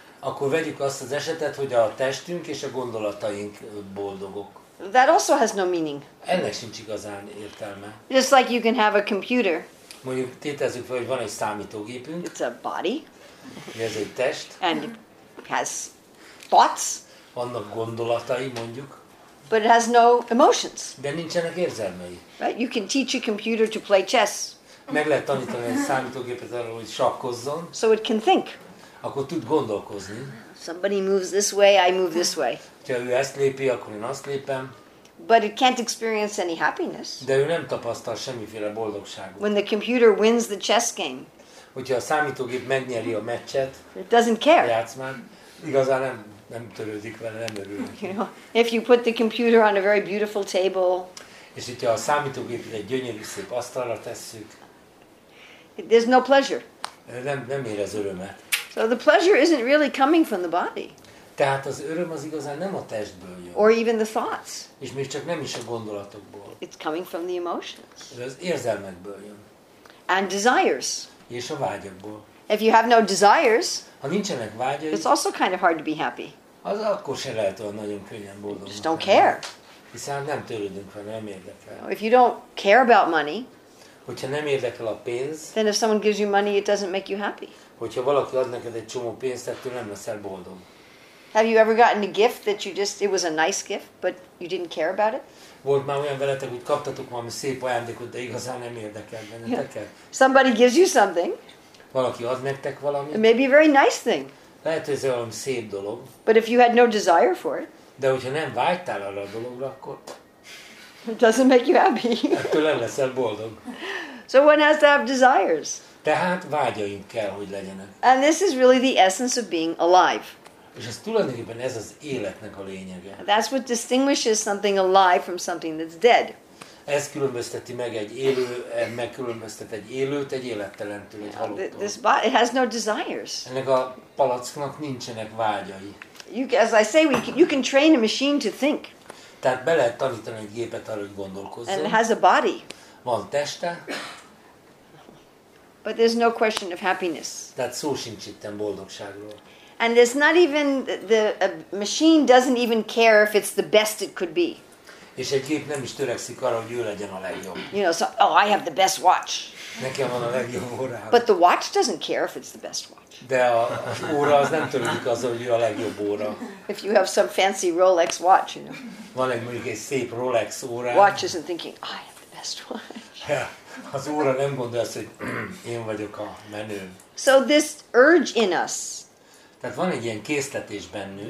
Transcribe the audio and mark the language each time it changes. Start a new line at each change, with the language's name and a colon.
Hungarian: Akkor vegyük azt az esetet, hogy a testünk és a gondolataink boldogok.
English: That also has no meaning.
Hungarian: Ennek sincs igazán értelme.
English: Just like you can have a computer.
Hungarian: Mondjuk tételezzük fel, hogy van egy számítógépünk.
English: It's a body.
Hungarian: Ez egy test.
English: And it has thoughts.
Hungarian: Vannak gondolatai, mondjuk.
English: But it has no emotions.
Hungarian: De nincsenek érzelmei.
English: Right? You can teach a computer to play chess.
Hungarian: Meg lehet tanítani egy számítógépet arról, hogy sakkozzon.
English: So it can think.
Hungarian: Akkor tud gondolkozni.
English: Somebody moves this way, I move this way.
Hungarian: Ha ő ezt lépi, akkor én azt lépem.
English: But it can't experience any happiness.
Hungarian: De ő nem tapasztal semmiféle boldogságot.
English: When the computer wins the chess game.
Hungarian: Hogyha a számítógép megnyeri a meccset.
English: It doesn't care.
Hungarian: Játszmán, igazán nem törődik vele, nem örül.
English: You know, if you put the computer on a very beautiful table.
Hungarian: És hogyha a számítógép egy gyönyörű szép asztalra tesszük.
English: There's no pleasure.
Hungarian: Nem érez örömet.
English: So the pleasure isn't really coming from the body.
Hungarian: Tehát az öröm az igazán nem a testből jön.
English: Or even the thoughts.
Hungarian: És még csak nem is a gondolatokból.
English: It's coming from the emotions.
Hungarian: Ez az érzelmekből jön.
English: And desires.
Hungarian: És a vágyakból.
English: If you have no desires,
Hungarian: ha nincsenek vágyai,
English: it's also kind of hard to be happy.
Hungarian: az akkor sem lehet olyan nagyon könnyen boldog.
English: Just don't care.
Hungarian: Hiszen nem törődünk fel, nem érdekel.
English: If you don't care about money,
Hungarian: hogyha nem érdekel a pénz,
English: then if someone gives you money, it doesn't make you happy.
Hungarian: Hogyha valaki ad neked egy csomó pénzt, ettől nem leszel boldog.
English: Have you ever gotten a gift that you just, it was a nice gift, but you didn't care about it?
Hungarian: Volt már olyan veletek, hogy kaptatok valami szép ajándékot, de igazán nem érdekel benneteket.
English: Somebody gives you something.
Hungarian: Valaki ad nektek valamit.
English: Maybe a very nice thing.
Hungarian: Lehet, hogy ez valami szép dolog.
English: But if you had no desire for it.
Hungarian: De hogyha nem vágytál arra a dologra, akkor...
English: It doesn't make you happy.
Hungarian: Ettől nem leszel boldog.
English: So one has to have desires.
Hungarian: Tehát vágyaink kell, hogy legyenek.
English: And this is really the essence of being alive.
Hungarian: És ez tulajdonképpen ez az életnek a lényege.
English: That's what distinguishes something alive from something that's dead.
Hungarian: Ez különbözteti meg egy élő, megkülönböztet egy élőt, egy élettelentől, egy halottól.
English: This body has no desires.
Hungarian: Ennek a palacknak nincsenek vágyai.
English: You, as I say, you can train a machine to think.
Hungarian: Tehát be lehet tanítani egy gépet arra, hogy gondolkozzon.
English: And it has a body.
Hungarian: Van teste.
English: But there's no question of happiness.
Hungarian: Tehát szó sincs itten boldogságról.
English: And it's not even a machine doesn't even care if it's the best it could be.
Hungarian: És egy gép nem is törekszik arra, hogy ő legyen a legjobb.
English: You know, so, oh, I have the best watch.
Hungarian: Nekem van a legjobb órám.
English: But the watch doesn't care if it's the best watch.
Hungarian: De az óra az nem törődik azzal, hogy ő a legjobb óra.
English: If you have some fancy Rolex watch, you know.
Hungarian: Van egy mondjuk egy szép Rolex óra.
English: Watch isn't thinking, I have the best watch.
Hungarian: Yeah, az óra nem gondolja azt, hogy én vagyok a menő.
English: So this urge in us.
Hungarian: Tehát van egy ilyen késztetés bennünk.